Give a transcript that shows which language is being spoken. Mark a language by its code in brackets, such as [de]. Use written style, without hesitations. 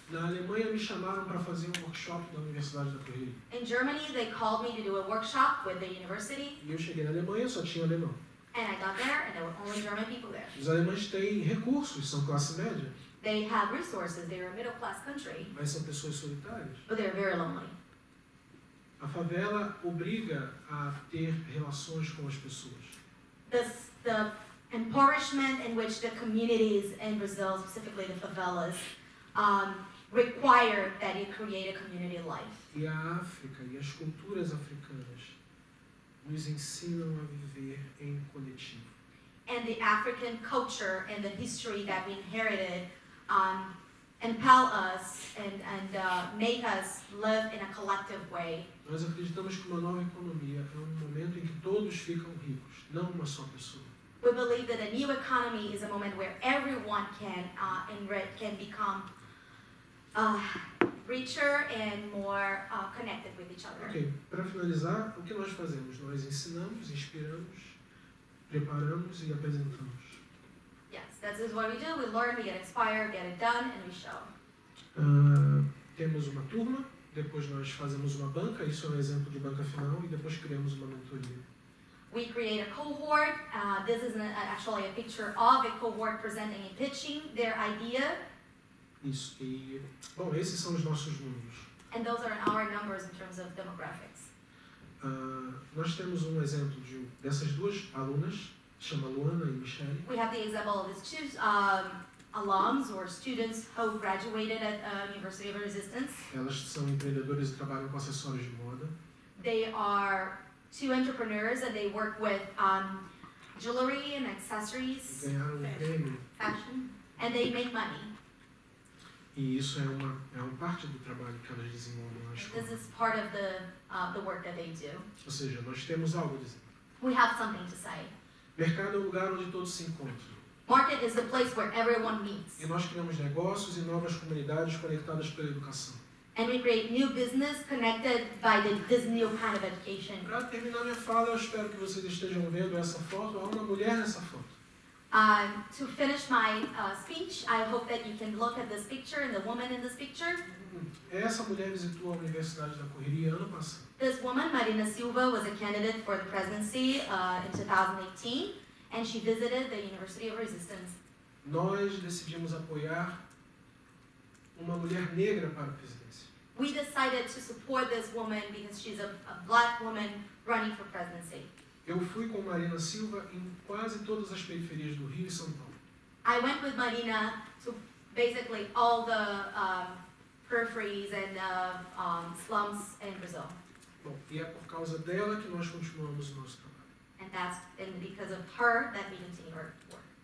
[pt] Na Alemanha, me chamaram para fazer workshop da Universidade da Purdie. [en] In Germany, they called me to do a workshop with the university. [pt] E eu cheguei na Alemanha, só tinha alemão. [en] And I got there, and there were only German people there. [pt] Os alemães têm recursos, são classe média. [en] They have resources, they are a middle class country. [pt] Mas são pessoas solitárias. [en] But they are very lonely. [pt] A favela obriga a ter relações com as pessoas. [en] The impoverishment in which the communities in Brazil, specifically the favelas, require that you create a community life. [pt] E a África e as culturas africanas nos ensinam a viver em coletivo. [en] And the African culture and the history that we inherited impel us make us live in a collective way. [pt] Nós acreditamos que uma nova economia é um momento em que todos ficam ricos, não uma só pessoa. [en] We believe that a new economy is a moment where everyone can become richer and more connected with each other. [pt] Okay. Para finalizar, o que nós fazemos? Nós ensinamos, inspiramos, preparamos e apresentamos. [en] This is what we do. We learn, we get inspired, get it done, and we show. [pt] Temos uma turma, depois nós fazemos uma banca, isso é um exemplo de banca final, e depois criamos uma mentoria. [en] We create a cohort. This is actually a picture of a cohort presenting and pitching their idea. [pt] Isso. E, bom, esses são os nossos números. [en] And those are our numbers in terms of demographics. [pt] Nós temos um exemplo dessas duas alunas. Chama Luana e Michelle. [en] We have the example of these two alums or students who graduated at University of Resistance. [pt] Elas são empreendedores e trabalham com acessórios de moda. [en] They are two entrepreneurs and they work with jewelry and accessories. [pt] Ganharam um prêmio. [en] Fashion. And they make money. [pt] E isso é uma parte do trabalho que elas desenvolvem na escola. [en] This is part of the work that they do. [pt] Ou seja, nós temos algo a dizer. [en] We have something to say. [pt] Mercado é o lugar onde todos se encontram. [en] Market is the place where everyone meets. [pt] E nós criamos negócios e novas comunidades conectadas pela educação. [en] And we create new business connected by this new kind of education. [pt] Para terminar minha fala, eu espero que vocês estejam vendo essa foto. Há uma mulher nessa foto. [en] To finish my speech, I hope that you can look at this picture and the woman in this picture. [pt] Essa mulher visitou a Universidade da Correria ano passado. [en] This woman, Marina Silva, was a candidate for the presidency in 2018, and she visited the University of Resistance. [pt] Nós decidimos apoiar uma mulher negra para a presidência. [en] We decided to support this woman because she's a black woman running for presidency. [pt] Eu fui com Marina Silva em quase todas as periferias do Rio e São Paulo. [en] I went with Marina to basically all the peripheries and slums in Brazil. [pt] Bom, e é por causa dela que nós continuamos o nosso trabalho. [en] And that's and because of her that we continue our work.